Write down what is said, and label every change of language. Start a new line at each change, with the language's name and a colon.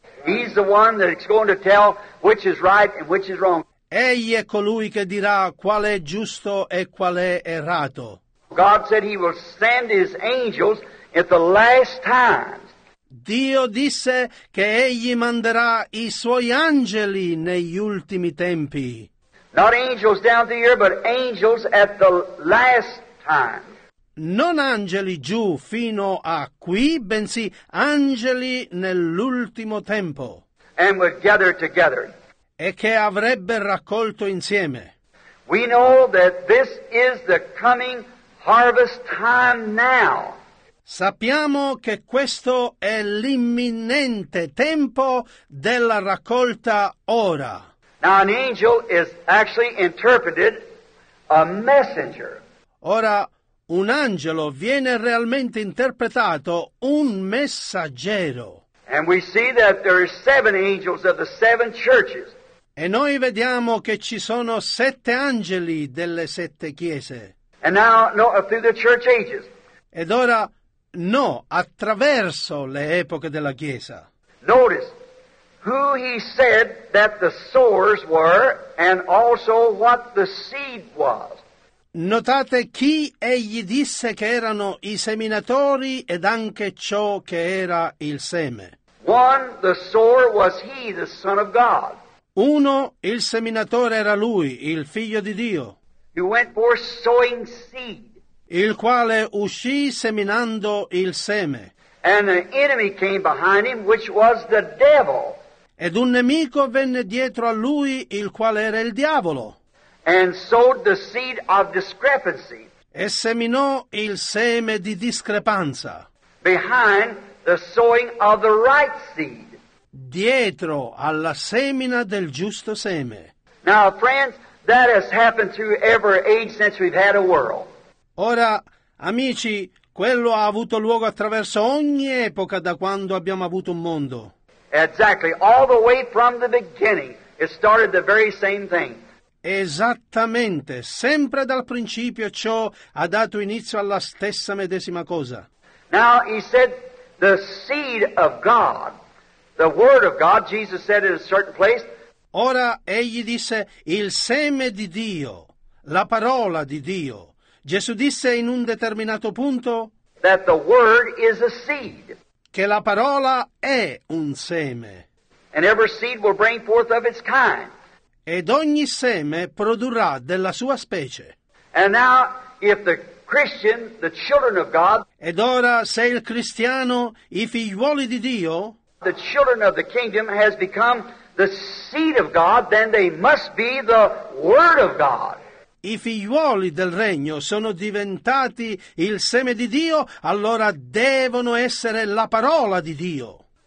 English: He's the one that's going to tell which is right and which is wrong.
Italian: Egli è colui che dirà qual è giusto e qual è errato.
English: God said he will send his angels at the last times.
Italian: Dio disse che egli manderà i suoi angeli negli ultimi tempi.
English: Not angels down the earth, but angels at the last times.
Italian: Non angeli giù fino a qui, bensì angeli nell'ultimo tempo.
English: And would gather together.
Italian: E che avrebbe raccolto insieme.
English: We know that this is the coming harvest time now.
Italian: Sappiamo che questo è l'imminente tempo della raccolta ora.
English: Now an angel is actually interpreted a messenger.
Italian: Ora un angelo viene realmente interpretato un messaggero.
English: And we see that there are seven angels of the seven churches.
Italian: E noi vediamo che ci sono sette angeli delle sette chiese.
English: And now, no, through the church ages.
Italian: Ed ora, no, attraverso le epoche della Chiesa.
English: Notice who he said that the sowers were and also what the seed was.
Italian: Notate chi egli disse che erano i seminatori ed anche ciò che era il seme.
English: One, the sower was he, the Son of God.
Italian: Uno, il seminatore era lui, il figlio di Dio,
English: he went for sowing seed.
Italian: Il quale uscì seminando il seme.
English: And an enemy came behind him, which was the devil.
Italian: Ed un nemico venne dietro a lui, il quale era il diavolo.
English: And sowed the seed of discrepancy.
Italian: E seminò il seme di discrepanza.
English: Behind the sowing of the right seed.
Italian: Dietro alla semina del giusto seme.
English: Now, friends, that has happened through every age since we've had a world.
Italian: Ora, amici, quello ha avuto luogo attraverso ogni epoca da quando abbiamo avuto un mondo.
English: Exactly, all the way from the beginning, it started the very same thing.
Italian: Esattamente, sempre dal principio ciò ha dato inizio alla stessa medesima cosa.
English: Now, he said, the seed of God. The word of God, Jesus said in a certain place.
Italian: Ora egli disse il seme di Dio, la parola di Dio. Gesù disse in un determinato punto
English: that the word is a seed.
Italian: Che la parola è un seme.
English: And every seed will bring forth of its kind.
Italian: Ed ogni seme produrrà della sua specie.
English: And now if the Christian, the children of God.
Italian: Ed ora se il cristiano, i figliuoli di Dio.
English: The children of the kingdom has become the seed of God, then they must be the word of God.
Italian: I figliuoli del regno sono diventati il seme di Dio, allora devono essere la parola di Dio.